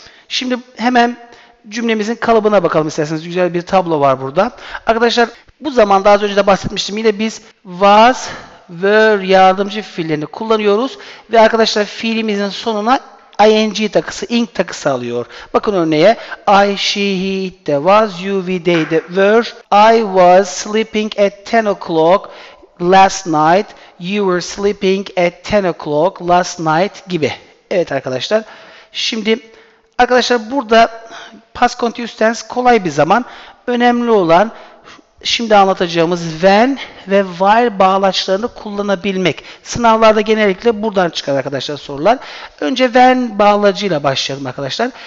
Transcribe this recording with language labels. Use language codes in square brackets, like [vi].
[tr] Şimdi hemen cümlemizin kalıbına bakalım isterseniz. Güzel bir tablo var burada. Arkadaşlar bu zaman daha önce de bahsetmiştim. Yine biz was, were yardımcı fiillerini kullanıyoruz. Ve arkadaşlar fiilimizin sonuna ing takısı, ing takısı alıyor. Bakın örneğe. [en] I, she, he, it, they, was, you, we, they, the, were. I was sleeping at 10 o'clock last night. You were sleeping at 10 o'clock last night gibi. [tr] Evet arkadaşlar. Şimdi arkadaşlar burada past continuous tense kolay bir zaman. Önemli olan şimdi anlatacağımız when ve while bağlaçlarını kullanabilmek. Sınavlarda genellikle buradan çıkar arkadaşlar sorular. Önce when bağlacıyla başlayalım arkadaşlar.